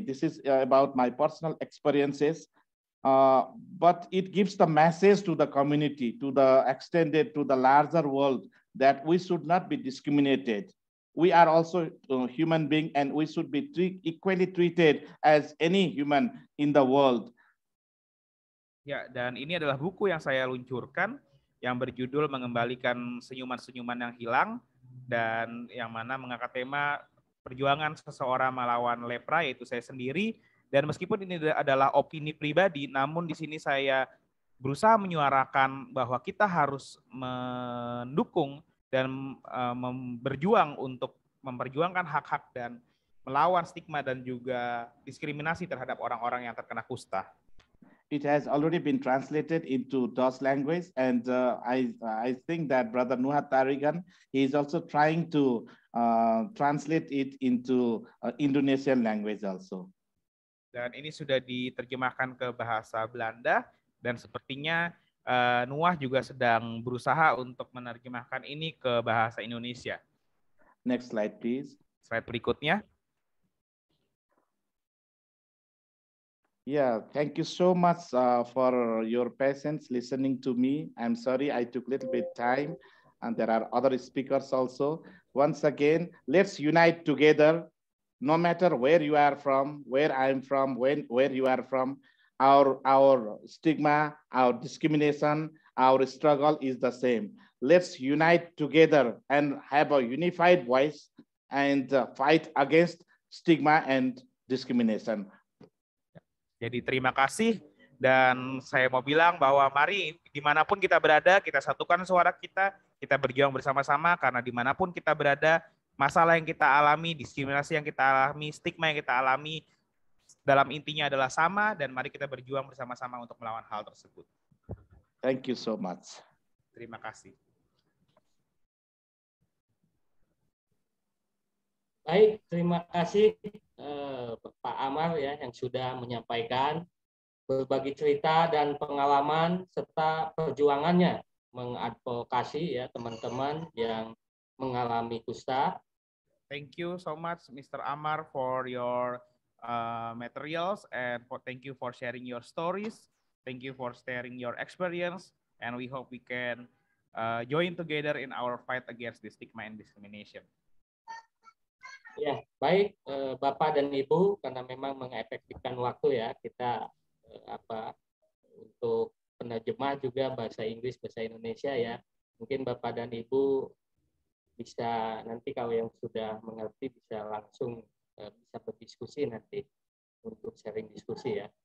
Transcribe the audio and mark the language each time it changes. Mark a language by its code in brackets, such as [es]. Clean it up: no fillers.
[en] This is about my personal experiences, but it gives the message to the community, to the extended, to the larger world, that we should not be discriminated. We are also human being, and we should be equally treated as any human in the world. [id] Ya, dan ini adalah buku yang saya luncurkan yang berjudul Mengembalikan Senyuman-Senyuman yang Hilang, dan yang mana mengangkat tema perjuangan seseorang melawan lepra, yaitu saya sendiri. Dan meskipun ini adalah opini pribadi, namun di sini saya berusaha menyuarakan bahwa kita harus mendukung dan berjuang untuk memperjuangkan hak-hak dan melawan stigma dan juga diskriminasi terhadap orang-orang yang terkena kusta. [en] It has already been translated into DOS language, and I think that Brother Nuhat Tarigan, he is also trying to translate it into Indonesian language also. [id] Dan ini sudah diterjemahkan ke bahasa Belanda, dan sepertinya Nuah juga sedang berusaha untuk menerjemahkan ini ke bahasa Indonesia. [en] Next slide, please. [id] Slide berikutnya. [en] Yeah, thank you so much for your patience listening to me. I'm sorry I took a little bit time, and there are other speakers also. Once again, let's unite together. No matter where you are from, where I'm from, where you are from, our stigma, our discrimination, our struggle is the same. Let's unite together and have a unified voice and fight against stigma and discrimination. [id] Jadi terima kasih, dan saya mau bilang bahwa mari dimanapun kita berada, kita satukan suara kita, kita berjuang bersama-sama, karena dimanapun kita berada, masalah yang kita alami, diskriminasi yang kita alami, stigma yang kita alami, dalam intinya adalah sama, dan mari kita berjuang bersama-sama untuk melawan hal tersebut. [en] Thank you so much. [id] Terima kasih. Baik, terima kasih Pak Amar ya, yang sudah menyampaikan berbagi cerita dan pengalaman serta perjuangannya mengadvokasi ya teman-teman yang mengalami kusta. [en] Thank you so much Mr. Amar for your materials, and for thank you for sharing your stories, thank you for sharing your experience, and we hope we can join together in our fight against the stigma and discrimination. [id] Ya, baik Bapak dan Ibu, karena memang mengefektifkan waktu ya, kita untuk penerjemah juga bahasa Inggris, bahasa Indonesia ya. Mungkin Bapak dan Ibu bisa nanti kalau yang sudah mengerti bisa langsung bisa berdiskusi nanti untuk sharing diskusi ya.